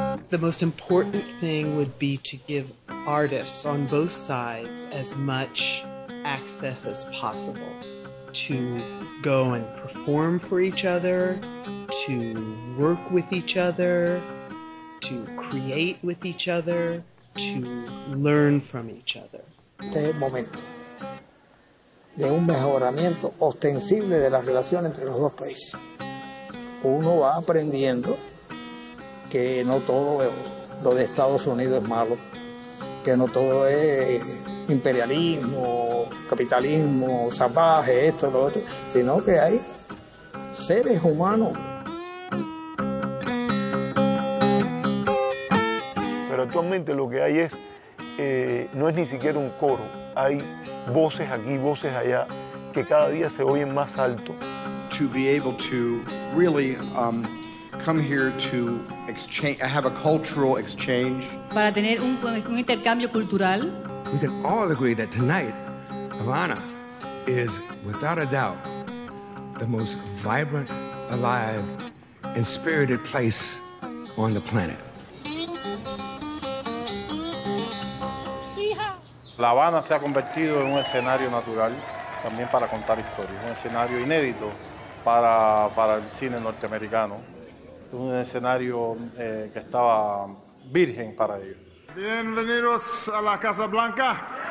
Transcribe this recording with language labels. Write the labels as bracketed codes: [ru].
[en] The most important thing would be to give artists on both sides as much access as possible to go and perform for each other, to work with each other, to create with each other, to learn from each other. [es] Este es el momento de un mejoramiento ostensible de la relación entre los dos países. Uno va aprendiendo que no todo lo de Estados Unidos es malo, que no todo es imperialismo, capitalismo, salvaje, esto, lo otro, sino que hay seres humanos. Pero actualmente lo que hay es, no es ni siquiera un coro, hay voces aquí, voces allá, que cada día se oyen más alto. [en] To be able to really, come here to exchange, have a cultural exchange. [es] Para tener un intercambio cultural. [en] We can all agree that tonight, Havana is without a doubt the most vibrant, alive, and spirited place on the planet. [es] La Habana se ha convertido en un escenario natural también para contar historias, un escenario inédito para el cine norteamericano. Un escenario que estaba virgen para ellos. Bienvenidos a la Casa Blanca.